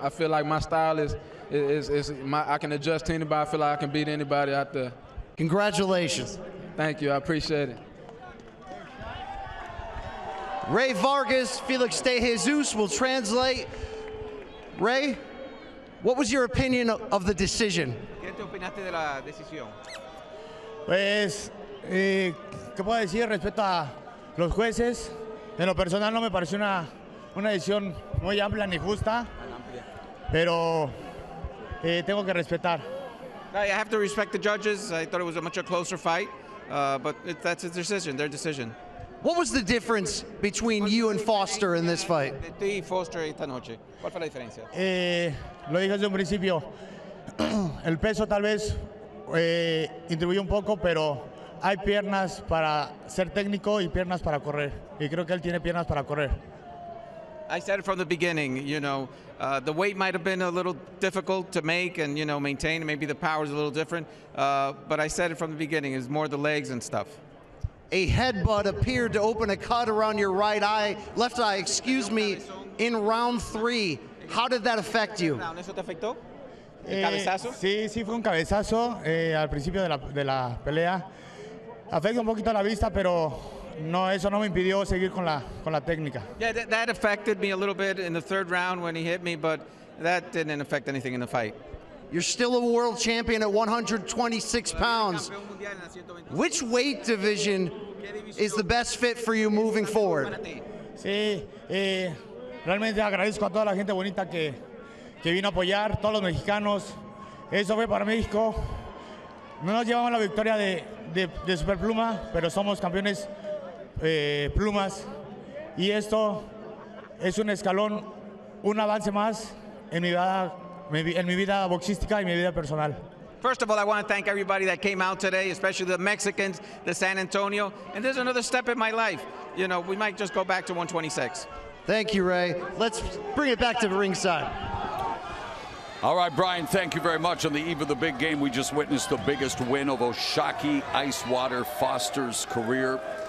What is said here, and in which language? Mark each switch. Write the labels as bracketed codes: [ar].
[en] I feel like my style is I can adjust to anybody. I feel like I can beat anybody out there. Congratulations. Thank you. I appreciate it. Rey Vargas, Felix de Jesus will translate. Rey, what was your opinion of the decision? [es] ¿Qué te opinaste de la decisión? Pues, ¿qué puedo decir respecto a los jueces? En lo personal no me pareció una decisión muy amplia ni justa, pero tengo que respetar. [en] I have to respect the judges. I thought it was a much a closer fight, but that's their decision. What was the difference between you and Foster in this fight? [es] De ti y Foster esta noche. ¿Cuál fue la diferencia? Lo dije desde un principio. El peso tal vez contribuyó un poco, pero hay piernas para ser técnico y piernas para correr. Y creo que él tiene piernas para correr. [en] I said it from the beginning, you know, the weight might have been a little difficult to make and, you know, maintain. Maybe the power is a little different. But I said it from the beginning. It's more the legs and stuff. A headbutt appeared to open a cut around your right eye, left eye, excuse me, in round three. How did that affect you? [es] ¿Eso te afectó? ¿El cabezazo? Sí, sí, fue un cabezazo al principio de la pelea. Afecta un poquito la vista, pero no, eso no me impidió seguir con la técnica. [en] Yeah, that affected me a little bit in the third round when he hit me, but that didn't affect anything in the fight. You're still a world champion at 126 pounds. Which weight division is the best fit for you moving forward? [es] Sí, realmente agradezco a toda la gente bonita que vino a apoyar, todos los mexicanos. Eso fue para México. No nos llevamos la victoria de Superpluma, pero somos campeones plumas. Y esto es un escalón, un avance más en mi vida. En mi vida boxística y mi vida personal. [en] First of all, I want to thank everybody that came out today, especially the Mexicans, the San Antonio. And there's another step in my life. You know, we might just go back to 126. Thank you, Rey. Let's bring it back to the ringside. All right, Brian, thank you very much. On the eve of the big game, we just witnessed the biggest win of Oshaki Icewater Foster's career.